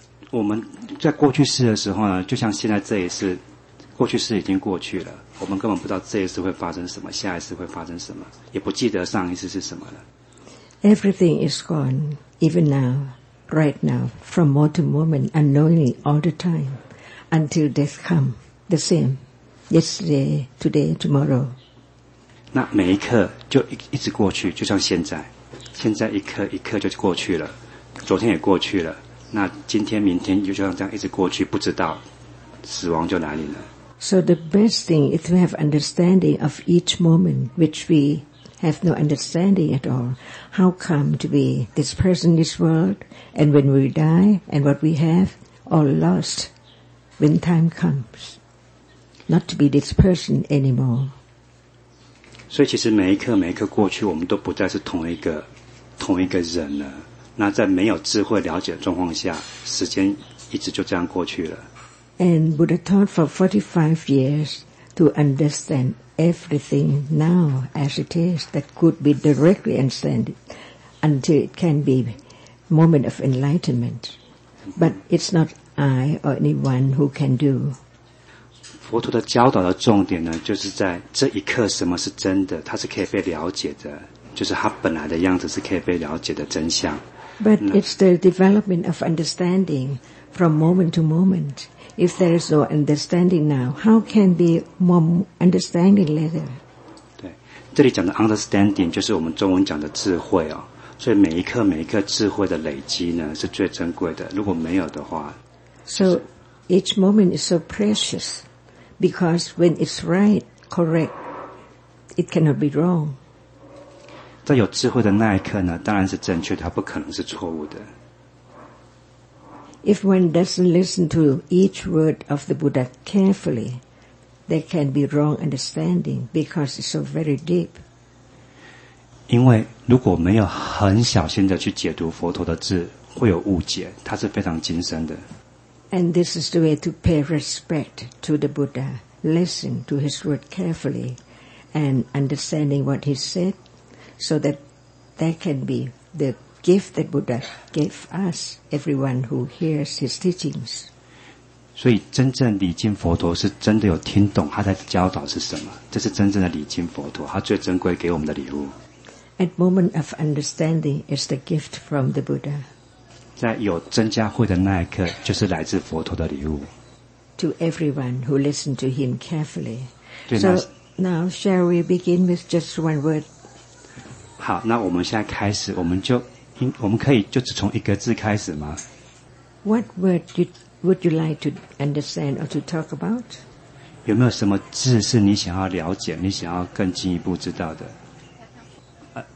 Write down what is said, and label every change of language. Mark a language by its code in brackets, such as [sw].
[zh] 我们在过去世的时候呢，就像现在这一世，过去式已经过去了，我们根本不知道这一次会发生什么，下一次会发生什么，也不记得上一次是什么了。 [en] Everything is gone, even now, right now, from moment to moment, unknowingly, all the time, until death come, the same, yesterday, today, tomorrow. [zh] 那每一刻就 一直过去，就像现在，现在一刻一刻就过去了，昨天也过去了。那今天明天就像这样一直过去，不知道死亡就来临了。 [en] So the best thing is to have understanding of each moment, which we have no understanding at all. How come to be this person, this world, and when we die, and what we have, all lost when time comes. Not to be this person anymore. [zh] 所以其实每一刻每一刻过去，我们都不再是同一个人了。那在没有智慧了解的状况下，时间一直就这样过去了。 [en] And Buddha taught for 45 years to understand everything now as it is that could be directly understood until it can be moment of enlightenment. But it's not I or anyone who can do. [zh] 佛陀的教导的重点呢，就是在这一刻什么是真的，它是可以被了解的，就是它本来的样子是可以被了解的真相。 [en] But it's the development of understanding from moment to moment. If there is no understanding now, how can be more understanding later? [zh] 对，这里讲的 understanding 就是我们中文讲的智慧哦。所以每一刻每一刻智慧的累积呢，是最珍贵的。如果没有的话 [en] ，So each moment is so precious because when it's right, correct, it cannot be wrong. [zh] 在有智慧的那一刻呢，当然是正确的，它不可能是错误的。 [en] If one doesn't listen to each word of the Buddha carefully, there can be wrong understanding because it's so very deep. [zh] 因为如果没有很小心的去解读佛陀的字，会有误解，它是非常精深的。 [en] And this is the way to pay respect to the Buddha, listen to his word carefully, and understanding what he said. So that there can be the gift that Buddha gave us, everyone who hears his teachings. [zh] 所以真正礼敬佛陀是真的有听懂他在教导是什么，这是真正的礼敬佛陀，他最珍贵给我们的礼物。 [en] At moment of understanding is the gift from the Buddha. [zh] 在有增加慧的那一刻，就是来自佛陀的礼物。 [en] To everyone who listened to him carefully. So now shall we begin with just one word? [zh] 好，那我们现在开始，我们可以就只从一个字开始吗 [en] ？What word would you like to understand or to talk about？ [zh] 有没有什么字是你想要了解、你想要更进一步知道的？